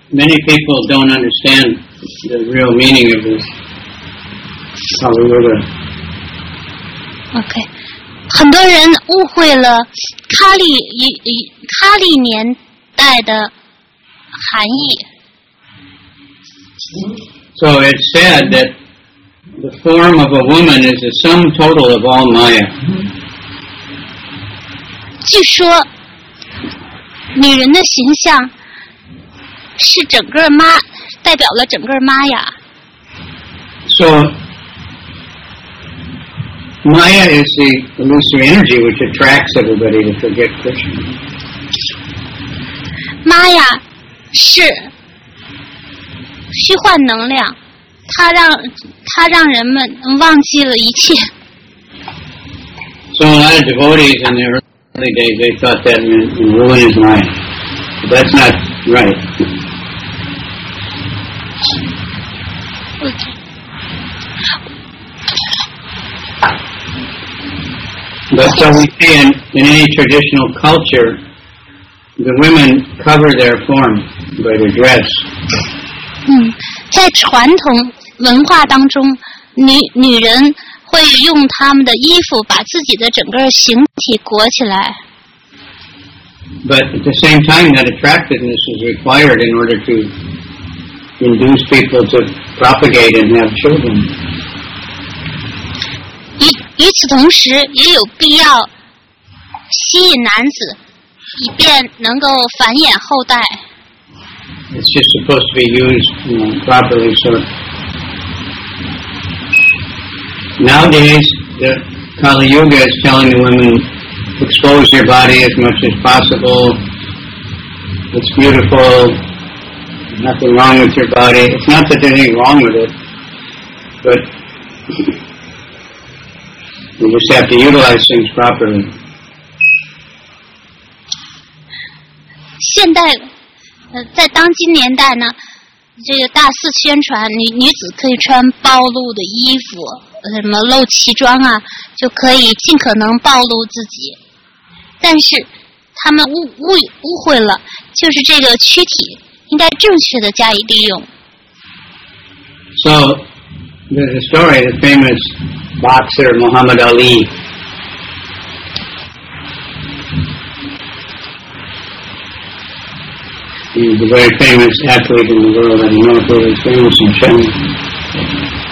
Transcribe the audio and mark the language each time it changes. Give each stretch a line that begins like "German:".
English: Many people don't understand the real meaning of this. Okay.
Chinese: 很多人误会了卡利年代的含义。
English: So it's said that the form of a woman is the sum total of all Maya. Mm-hmm.
Chinese: 据说女人的形象是整个妈代表了整个妈呀。
English: So Maya is the illusory energy which attracts everybody to forget Krishna.
Chinese: Maya 是虚幻能量，它让人们忘记了一切。
English: So a lot of devotees in the early days, they thought that would ruin his mind. But that's not right. But so we see in any traditional culture, the women cover their form by their dress.
Chinese: 在传统文化当中，女人会用她们的衣服把自己的整个形体裹起来。
English: But at the same time, that attractiveness is required in order to induce people to propagate and have children.
Chinese: 与此同时，也有必要吸引男子，以便能够繁衍后代。
English: It's just supposed to be used, you know, properly. So nowadays, the Kali Yuga is telling the women, expose your body as much as possible. It's beautiful. Nothing wrong with your body. It's not that there's anything wrong with it, but we just have to utilize things properly.
Chinese: 现代在当今年代呢，这个大肆宣传女子可以穿暴露的衣服，什么露脐装啊，就可以尽可能暴露自己。但是他们误会了，就是这个躯体应该正确的加以利用。
English: So there's a story, the famous boxer Muhammad Ali. He's a very famous athlete in the world. I don't know if he was famous in China.